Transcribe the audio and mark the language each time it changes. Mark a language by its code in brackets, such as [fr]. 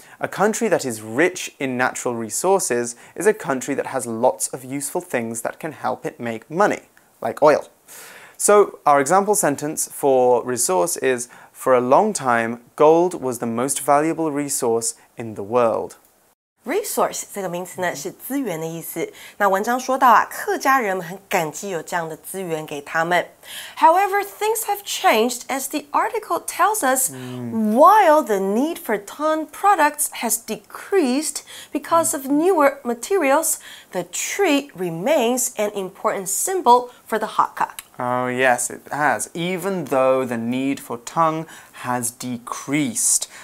[en] A country that is rich in natural resources is a country that has lots of useful things that can help it make money, like oil. So our example sentence for resource is, for a long time, gold was the most valuable resource in the world. [zh] Resource 这个名词呢是资源的意思。那文章说到啊，客家人们很感激有这样的资源给他们。 [en] However, things have changed as the article tells us, while the need for ton products has decreased because of newer materials, the tree remains an important symbol for the Hakka. Oh yes, it has, even though the need for tongue has decreased.